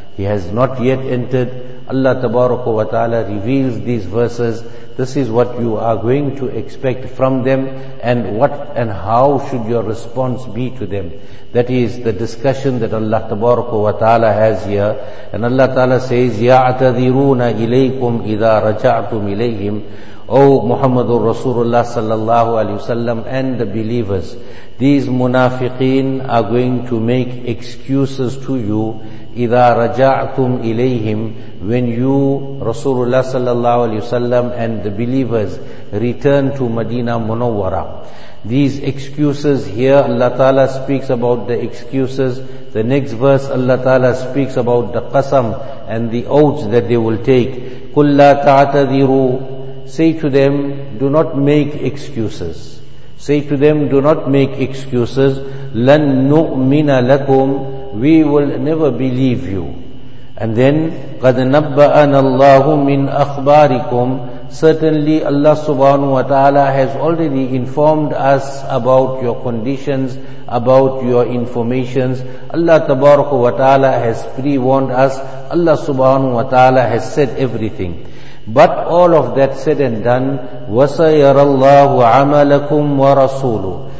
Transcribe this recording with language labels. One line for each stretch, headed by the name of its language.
English: He has not yet entered. Allah tabaraka wa ta'ala reveals these verses. This is what you are going to expect from them, and what and how should your response be to them. That is the discussion that Allah tabaraka wa ta'ala has here. And Allah ta'ala says,
Arabic: يَعْتَذِرُونَ إِلَيْكُمْ إِذَا رَجَعْتُمْ إِلَيْهِمْ.
English: O Muhammadur Rasulullah sallallahu alayhi wa sallam and the believers, these munafiqeen are going to make excuses to you.
Arabic: إِذَا رَجَعْتُمْ إِلَيْهِمْ,
English: when you, Rasulullah sallallahu alayhi wa sallam and the believers, return to Medina Munawwara. These excuses here, Allah Ta'ala speaks about the excuses. The next verse, Allah Ta'ala speaks about the qasam and the oaths that they will take.
Arabic: قُلْ لَا تَعْتَذِرُوا.
English: Say to them, do not make excuses. Say to them, do not make excuses.
Arabic: لَن نُؤْمِنَ لَكُمْ.
English: We will never believe you. And then,
Arabic: قَدْ نَبَّأَنَا اللَّهُ مِنْ أَخْبَارِكُمْ.
English: Certainly Allah subhanahu wa ta'ala has already informed us about your conditions, about your informations. Allah tabaraka wa ta'ala has pre-warned us. Allah subhanahu wa ta'ala has said everything. But all of that said and done,
Arabic: وَسَيَرَ اللَّهُ عَمَلَكُمْ وَرَسُولُ.